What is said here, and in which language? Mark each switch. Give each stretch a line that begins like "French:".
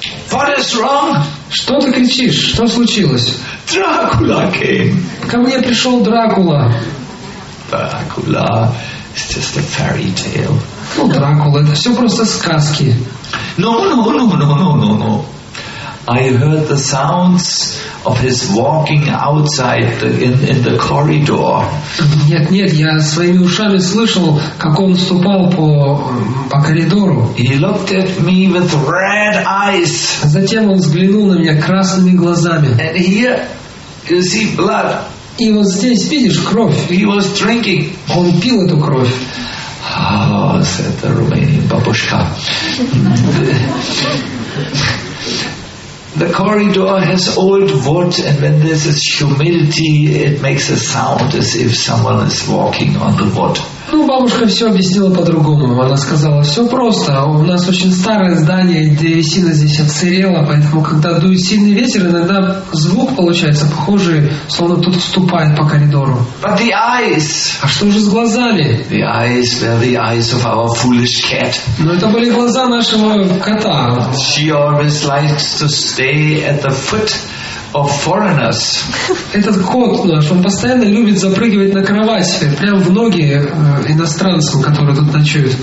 English: What is wrong?
Russian: Что ты кричишь? Что случилось?
English: Dracula came.
Russian: Ко мне пришел Дракула.
English: Dracula is just a fairy tale.
Russian: Ну, Дракула, это все просто сказки.
English: No. I heard the sounds of his walking outside in the corridor.
Russian: Нет, я своими ушами слышал, как он ступал по коридору.
English: He looked at me with red eyes.
Russian: Затем он взглянул на меня красными глазами.
English: And here you see blood.
Russian: И вот здесь видишь кровь.
English: He was drinking.
Russian: Он пил эту кровь.
English: Oh, said the Romanian бабушка. The corridor has old wood, and when there is humidity, it makes a sound as if someone is walking on the wood.
Russian: Ну, бабушка все объяснила по-другому. Она сказала, все просто. У нас очень старое здание, и древесина здесь отсырела, поэтому, когда дует сильный ветер, иногда звук получается похожий, словно тут вступает по коридору.
English: But the eyes.
Russian: А что же с глазами?
English: The eyes were the eyes of our foolish cat.
Russian: Ну, это были глаза нашего кота.
English: She always likes to stay at the foot of foreigners.
Russian: Этот кот наш, он постоянно любит запрыгивать на кровать, прямо в ноги иностранцам, которые тут ночуют.